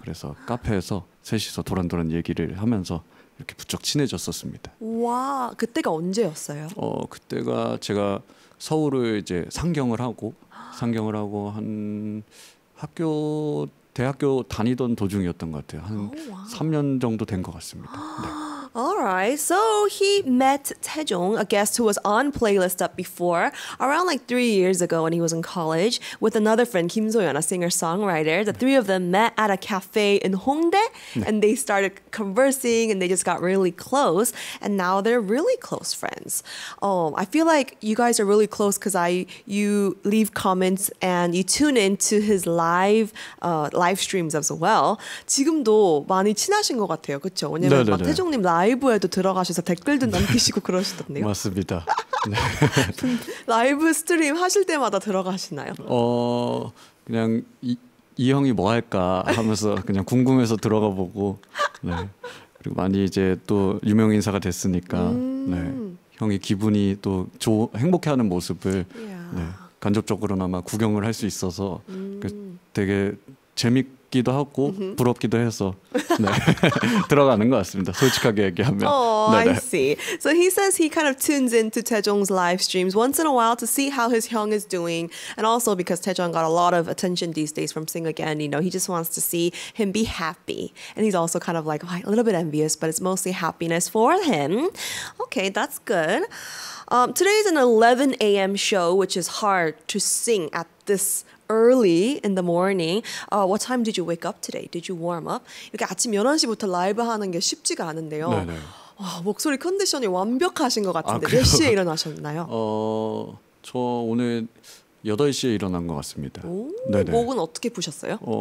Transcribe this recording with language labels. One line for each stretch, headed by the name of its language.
Korean: 그래서 카페에서 셋이서 도란도란 얘기를 하면서 이렇게 부쩍 친해졌었습니다. 와 그때가 언제였어요? 그때가 제가 서울을 이제 상경을 하고 한 학교 대학교 다니던 도중이었던 것 같아요. 한 3년 정도 된 것 같습니다. 네.
English: Alright, so he met Taejong, a guest who was on Playlist Up before, around like 3 years ago when he was in college, with another friend, Kim Soyeon, a singer-songwriter. The three of them met at a cafe in Hongdae, and they started conversing, and they just got really close, and now they're really close friends. I feel like you guys are really close because you leave comments and you tune into his live streams as well.
Korean: 지금도 많이 친하신 것 같아요, 그렇죠? 왜냐면 막 태종님 라이브에도 들어가셔서 댓글도 남기시고 그러시던데요. 맞습니다. 네. 라이브 스트림 하실 때마다 들어가시나요? 그냥 이 형이 뭐 할까 하면서 그냥 궁금해서 들어가 보고 네. 그리고 많이 이제 또 유명 인사가 됐으니까 네. 형이 기분이 또 행복해하는 모습을 네. 간접적으로나마 구경을 할 수 있어서 되게 재밌고 기도 하고 부럽기도 해서 네. 들어가는 것 같습니다. 솔직하게 얘기하면.
English: I see. So he says he kind of tunes into Taejong's live streams once in a while to see how his hyung is doing, and also because Taejong got a lot of attention these days from Sing Again, you know, he just wants to see him be happy. And he's also kind of like a little bit envious, but it's mostly happiness for him. Okay, that's good. Today is an 11 a.m. show, which is hard to sing at this. Early in the morning. What time did you wake up today? Did you warm up?
Korean: 이렇게 아침 11시부터 라이브 하는 게 쉽지가 않은데요. 와, 목소리 컨디션이 완벽하신 것 같은데 몇 시에 일어나셨나요? 저 오늘 8시에 일어난 것 같습니다. 목은 어떻게 푸셨어요?